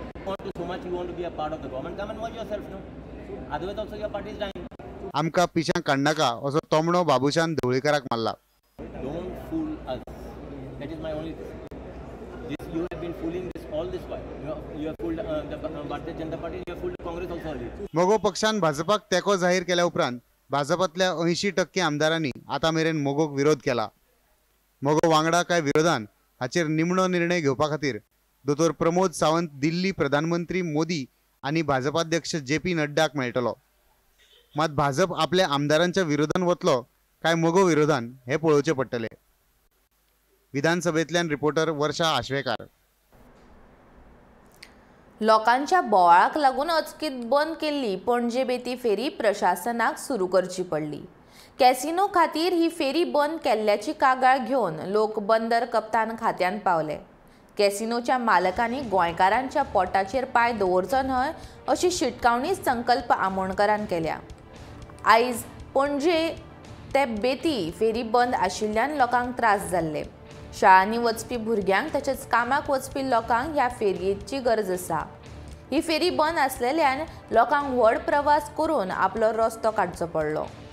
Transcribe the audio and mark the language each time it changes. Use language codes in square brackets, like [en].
[en] You want to so much, you want to be a part of the government, come and watch yourself, no? Otherwise also your party is dying. [gom] आमका पिशांक कण्णाका असो तोमणो बाबूशान धुळीकराक मारला. [en] Don't fool us. That is my only thing. This, you have been fooling this all this while. You have fooled the Bharatiya Janata Party, you have fooled Congress also already. [gom] मोगो पक्षान भाजपाक तेको जाहीर केल्या उपरांत भाजपातल्या 80% आमदारांनी आता मेरेन मोगोक विरोध केला. मोगो वांगडा काय विरोधान हाचेर निमणो निर्णय घेवपा खातीर दोतोर प्रमोद सावंत दिल्ली प्रधानमंत्री मोदी आनी भाजपाध्यक्ष जेपी नड्डाक मेळटलो. मात भाजप आपल्या आमदारांच्या विरोधान वतलो काय मोगो विरोधान हे पळोवचे पडटले. विधानसभेतल्यान रिपोर्टर वर्षा आश्वेकार. लोकांच्या बोवाळाक लागून अचकीत बंद केल्ली पणजे बेती फेरी प्रशासनाक सुरू करची पडली. कॅसिनो खातीर ही फेरी बंद केल्ल्याची कागाळ घेऊन लोक बंदर कप्तान खात्यान पावले. कॅसिनोच्या मालकांनी गोंयकारांच्या पोटाचेर पाय दवरचो न्हय अशी शिटकावणी संकल्प आमोणकरान केल्या. आयज पणजे ते बेती फेरी बंद आशिल्ल्यान लोकांक त्रास जाल्ले. शाळांनी वचपी भुरग्यांक तशेंच कामाक वचपी लोकांक ह्या फेरयेची गरज आसा. ही फेरी बंद आसलेल्यान लोकांक व्हड प्रवास करून आपलो रस्तो काडचो पडलो.